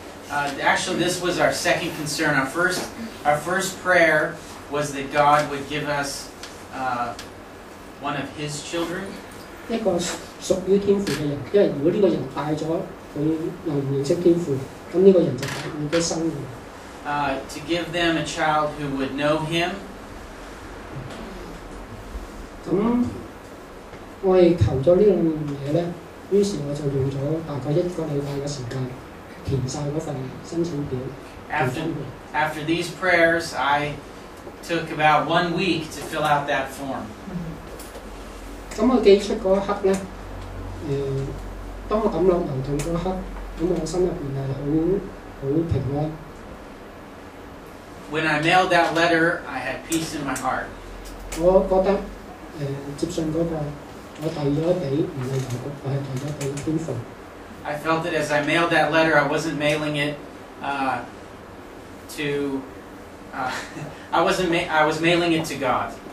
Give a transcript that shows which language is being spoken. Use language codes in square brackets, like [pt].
[en] Actually, this was our second concern. Our first prayer was that God would give us one of His children. [yue] 一個屬於天父嘅人，因為如果呢個人帶咗佢又認識天父，咁呢個人就帶咗生命。 [en] To give them a child who would know Him. [yue] 咁我係求咗呢兩樣嘢咧。於是我就用咗大概一個禮拜嘅時間填曬嗰份申請表。 [en] After these prayers, I took about 1 week to fill out that form. [yue] 咁我寄出嗰一刻咧，當我抌落郵筒嗰一刻，咁我心入邊係好平安。 [en] When I mailed that letter, I had peace in my heart. [yue] 我覺得接信嗰個。我遞咗俾唔係郵局，我係遞咗俾天父。 [en] I felt that as I mailed that letter, I wasn't mailing it I was mailing it to God.